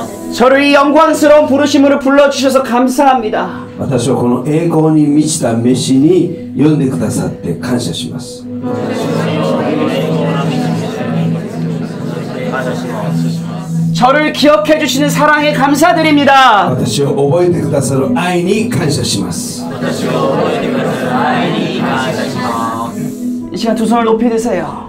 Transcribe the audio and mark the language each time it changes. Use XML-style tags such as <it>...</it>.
<ko>저를 이 영광스러운 부르심으로 불러주셔서 감사합니다.</ko> <ja>私をこの栄光に満ちた召しに呼んでくださって感謝します。</ja> <ko>저를 기억해 주시는 사랑에 감사드립니다. 이 시간 두 손을 높이 드세요.</ko>